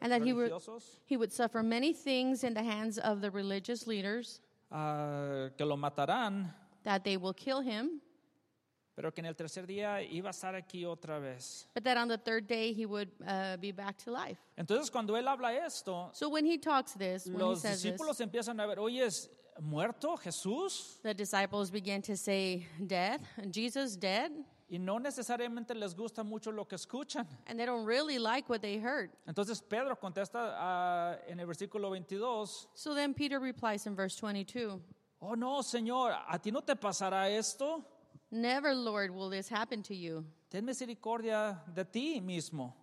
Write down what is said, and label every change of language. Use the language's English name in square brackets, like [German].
[English] And that he would suffer many things in the hands of the religious leaders. [Spanish] Que lo matarán, [English] that they will kill him, [Spanish] pero que en el tercer día iba a estar aquí otra vez. [English] But that on the third day he would be back to life. [Spanish] Entonces cuando él habla esto, [English] so when he talks this, [Spanish] los [English] when he says [Spanish] discípulos [English] this, [Spanish] empiezan a ver, oye, ¿es muerto Jesús? [English] The disciples begin to say, dead, Jesus dead. [Spanish] Y no necesariamente les gusta mucho lo que escuchan. [English] And they don't really like what they heard. [Spanish] Entonces Pedro contesta en el versículo 22. [English] So then Peter replies in verse 22. [Spanish] Oh no, Señor, ¿a ti no te pasará esto? [English] Never, Lord, will this happen to you. [Spanish] Ten misericordia de ti mismo.